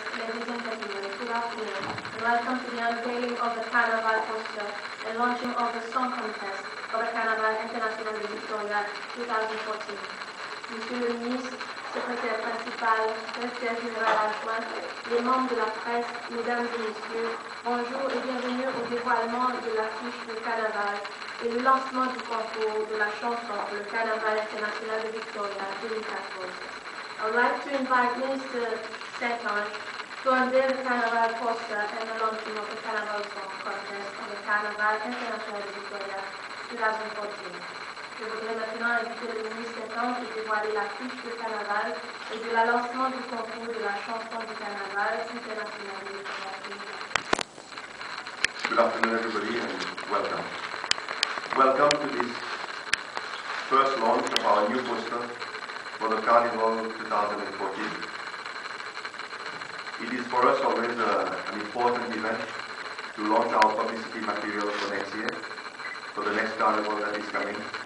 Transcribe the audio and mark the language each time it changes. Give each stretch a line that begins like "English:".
English: welcome to the unveiling of the Carnival poster and launching of the song contest for the Carnival International de Victoria 2014.
French: Monsieur le ministre, secrétaire principal, directeur général adjoint, les membres de la presse, mesdames et messieurs, bonjour et bienvenue au dévoilement de l'affiche Le Carnaval et le lancement du concours de la chanson Le Carnaval International de Victoria 2014.
English: I would like to invite Minister St. Ange to unveil the Carnaval poster and the launching of the Carnaval song contest on the Carnaval International de Victoria 2014.
French: Je voudrais maintenant inviter le ministre Saint-Ange de dévoiler l'affiche de Carnaval et de la lancement du concours de la chanson du Carnaval international.
English: Good afternoon, everybody, and welcome. Welcome to this first launch of our new poster for the Carnival 2014. It is for us always an important event to launch our publicity material for next year, for the next Carnival that is coming.